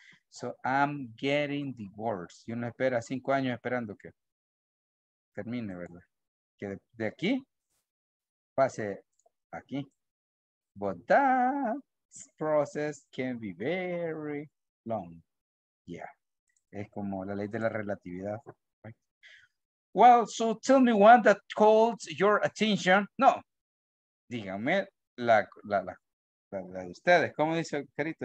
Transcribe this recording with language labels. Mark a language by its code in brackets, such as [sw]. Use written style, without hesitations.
[en] So I'm getting divorced. [es] Y uno espera 5 años esperando que termine, ¿verdad? Que de aquí pase aquí. [en] But that process can be very long. Yeah. [es] Es como la ley de la relatividad, right? [en] Well, so tell me one that calls your attention. No. [es] Dígame la de ustedes, ¿cómo dice el carito?